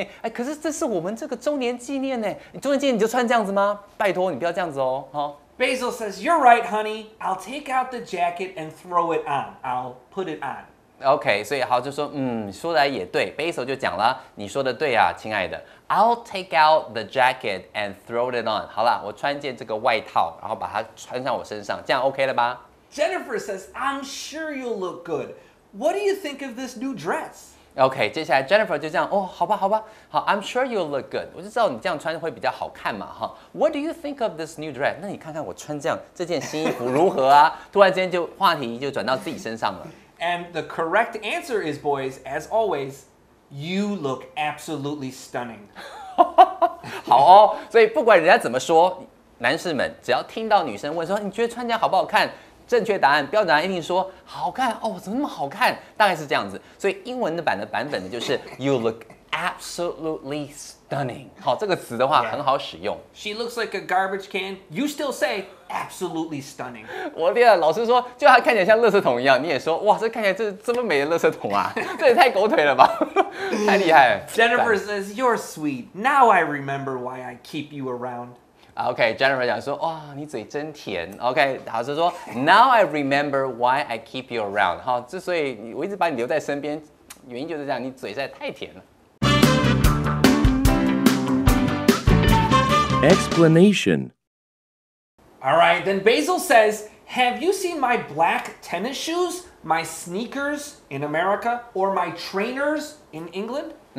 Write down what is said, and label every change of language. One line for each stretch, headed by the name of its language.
Chinese: 哎，可是这是我们这个周年纪念呢。你周年纪念你就穿这样子吗？拜托，你不要这样子哦。
English: Basil says, you're right, honey. I'll take out the jacket and throw it on. I'll put it on.
Chinese: OK, 所以好就说，说来也对。 Basil 就讲了，你说的对啊，亲爱的。
English: I'll take out the jacket and throw it on.
Chinese: 好了，我穿件这个外套，然后把它穿上我身上，这样 OK 了吧？
English: Jennifer says, I'm sure you'll look good. What do you think of this new dress?
Chinese: OK, 接下来 Jennifer 就这样，哦，好吧，好吧，好，
English: I'm sure you'll look good.
Chinese: 我就知道你这样穿会比较好看嘛，哈。
English: What do you think of this new dress?
Chinese: 那你看看我穿这样，这件新衣服如何啊？突然间就话题就转到自己身上了。
English: And the correct answer is, boys, as always,You look absolutely stunning.
Chinese: 好哦，所以不管人家怎么说，男士们只要听到女生问说你觉得穿起来好不好看，正确答案标准答案一定说好看哦，怎么那么好看？大概是这样子。所以英文的版的版本呢，就是
English: You look absolutely stunning.
Chinese: 好，这个词的话很好使用。
English: Yeah. She looks like a garbage can. You still say absolutely stunning.
Chinese: 我的老师说，就她看起来像垃圾桶一样，你也说哇，这看起来这这么美的垃圾桶啊，这也太狗腿了吧！太厉害了。
English: Jennifer says you're sweet. Now I remember why I keep you around.
Chinese: Okay, Jennifer 讲说哇，你嘴真甜。
English: Okay,
Chinese: 老师说
English: Now I remember why I keep you around.
Chinese: 好，之所以我一直把你留在身边，原因就是这样，你嘴实在太甜了。
English: Explanation. All right, then Basil says, Have you seen my black tennis shoes, my sneakers in America, or my trainers in England?